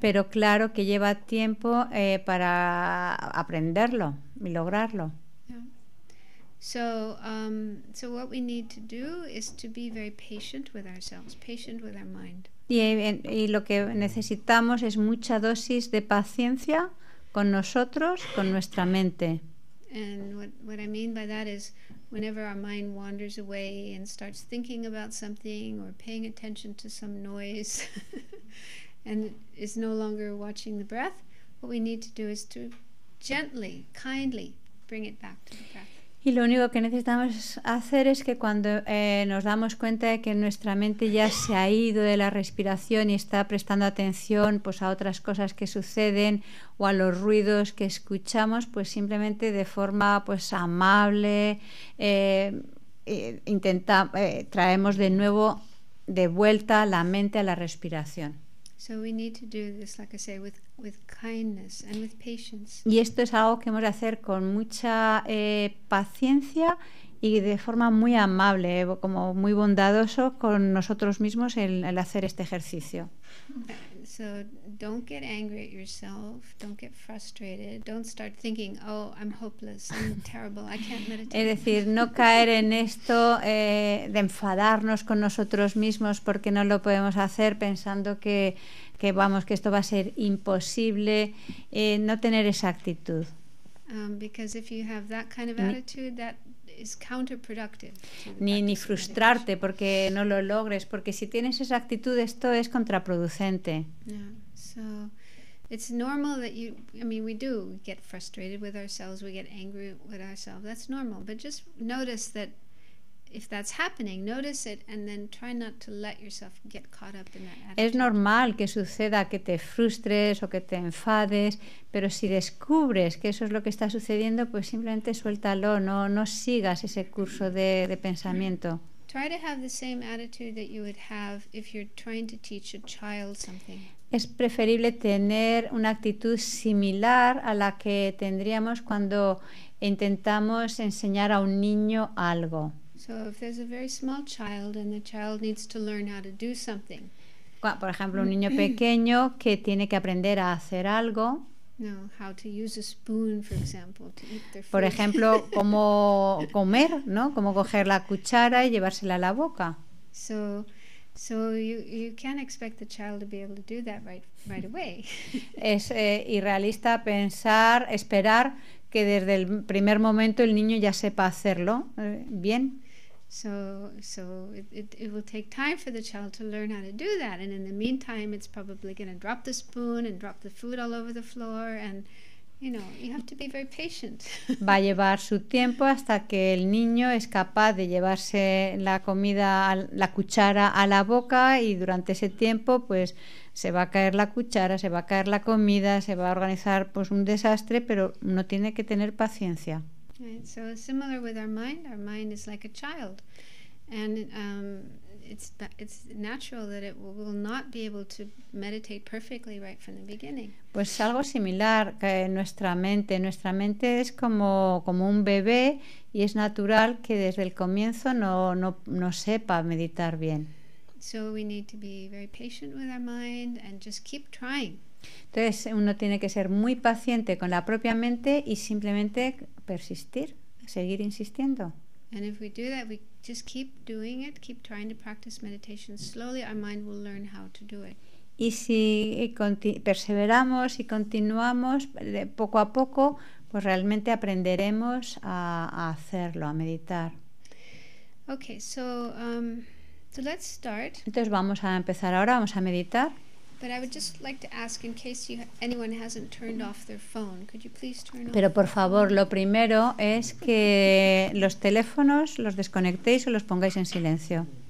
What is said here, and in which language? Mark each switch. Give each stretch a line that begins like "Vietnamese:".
Spanish: Pero claro que lleva tiempo para aprenderlo y lograrlo.
English: So what we need to do is to be very patient with ourselves, patient with our mind.
Spanish: Y lo que necesitamos es mucha dosis de paciencia con nosotros, con nuestra mente.
English: And what I mean by that is whenever our mind wanders away and starts thinking about something or paying attention to some noise and is no longer watching the breath, what we need to do is to gently, kindly bring it back to the breath.
Spanish: Y lo único que necesitamos hacer es que cuando nos damos cuenta de que nuestra mente ya se ha ido de la respiración y está prestando atención pues a otras cosas que suceden o a los ruidos que escuchamos, pues simplemente de forma pues amable traemos de nuevo de vuelta la mente a la respiración.
English: So we need to do this, like I say, with kindness and with patience.
Spanish: Y esto es algo que hemos de hacer con mucha paciencia y de forma muy amable, como muy bondadoso con nosotros mismos el hacer este ejercicio.
English: So don't get angry at yourself, don't get frustrated, don't start thinking, oh, I'm hopeless, I'm terrible, I can't meditate.
Spanish: Es decir, no caer en esto de enfadarnos con nosotros mismos porque no lo podemos hacer, pensando que vamos, que esto va a ser imposible, no tener esa actitud.
English: Because if you have that kind of attitude, that is counterproductive.
Spanish: Ni frustrarte porque no lo logres, porque si tienes esa actitud, esto es contraproducente.
English: Yeah. So it's normal that you, I mean, we do get frustrated with ourselves, we get angry with ourselves. That's normal. But just notice that if that's happening, notice it and then try not to let yourself get caught up in that attitude.
Spanish: Es normal que suceda que te frustres o que te enfades, pero si descubres que eso es lo que está sucediendo, pues simplemente suéltalo, no sigas ese curso de pensamiento.
English: Try to have the same attitude that you would have if you're trying to teach a child something.
Spanish: Es preferible tener una actitud similar a la que tendríamos cuando intentamos enseñar a un niño algo.
English: So if there's a very small child and the child needs to learn how to do something.
Spanish: Por ejemplo, un niño pequeño que tiene que aprender a hacer algo.
English: No, how to use a spoon, for example, to eat their food.
Spanish: Por ejemplo, cómo comer, ¿no? Cómo coger la cuchara y llevársela a la boca.
English: So you can't expect the child to be able to do that right away.
Spanish: Es irrealista pensar, esperar que desde el primer momento el niño ya sepa hacerlo bien.
English: So it will take time for the child to learn how to do that, and in the meantime it's probably going to drop the spoon and drop the food all over the floor, and you know, you have to be very patient.
Spanish: Va a llevar su tiempo hasta que el niño es capaz de llevarse la comida, la cuchara a la boca, y durante ese tiempo pues se va a caer la cuchara, se va a caer la comida, se va a organizar pues un desastre, pero uno tiene que tener paciencia.
English: Right, so similar with our mind is like a child, and it's natural that it will not be able to meditate perfectly right from the beginning.
Spanish: Pues algo similar que nuestra mente es como un bebé, y es natural que desde el comienzo no sepa meditar bien.
English: So we need to be very patient with our mind and just keep trying.
Spanish: Entonces uno tiene que ser muy paciente con la propia mente y simplemente persistir, seguir insistiendo.
English: And if we do that, we just keep doing it, keep trying to practice meditation slowly, our mind will learn how to do it.
Spanish: Y si perseveramos y continuamos poco a poco, pues realmente aprenderemos a hacerlo, a meditar.
English: Okay, so let's start.
Spanish: Entonces vamos a empezar ahora, vamos a meditar.
English: But I would just like to ask, in case anyone hasn't turned off their phone, could you please turn off?
Spanish: Pero por favor, lo primero es que los teléfonos los desconectéis o los pongáis en silencio.